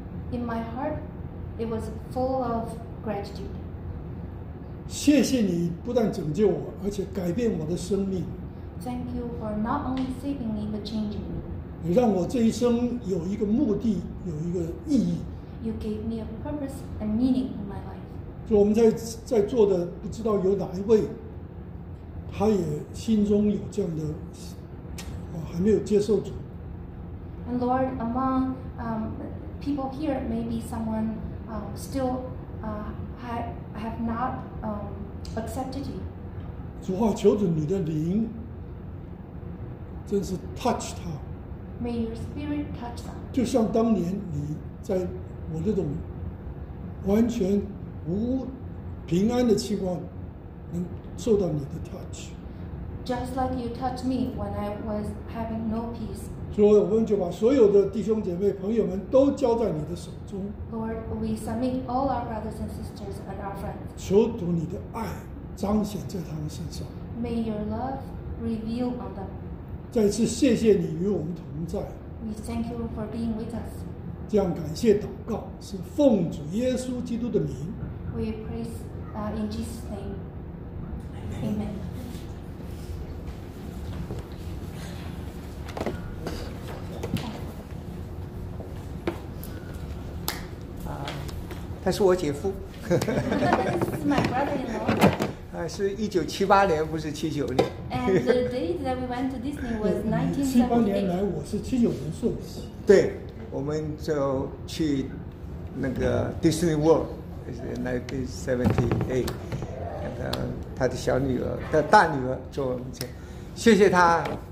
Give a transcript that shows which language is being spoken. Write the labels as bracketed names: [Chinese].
[English] In my heart, it was full of gratitude. [Chinese] 谢谢你不但拯救我，而且改变我的生命。 [English] Thank you for not only saving me but changing me. [Chinese] 你让我这一生有一个目的，有一个意义。 [English] You gave me a purpose and meaning in my life. [Chinese] 就我们在座的，不知道有哪一位，他也心中有这样的，还没有接受主。 [English] And Lord, among people here, maybe someone still have not accepted you. [Chinese] 主啊，求主你的灵真是 touch 他。 [English] May your spirit touch them. [Chinese] 就像当年你在我这种完全无平安的情况，能受到你的 touch。 [English] Just like you touched me when I was having no peace. [Chinese] 所以我们就把所有的弟兄姐妹朋友们都交在你的手中。 [English] Lord, we submit all our brothers and sisters and our friends. [Chinese] 求主你的爱彰显在他们身上。 [English] May your love reveal on them. [Chinese] 再次谢谢你与我们同在。 [English] We thank you for being with us. [Chinese] 这样感谢祷告是奉主耶稣基督的名。 [English] We praise in Jesus' name. Amen. [Chinese] 他是我姐夫。 [English] This is my brother-in-law. [Chinese] 是1978年，不是79年。 [English] And the date that we went to Disney was 1978. [Chinese] 78年来，我是79年受洗。对，我们就去那个 Disney World， 是1978。然后他的小女儿，他大女儿坐我们前，谢谢他。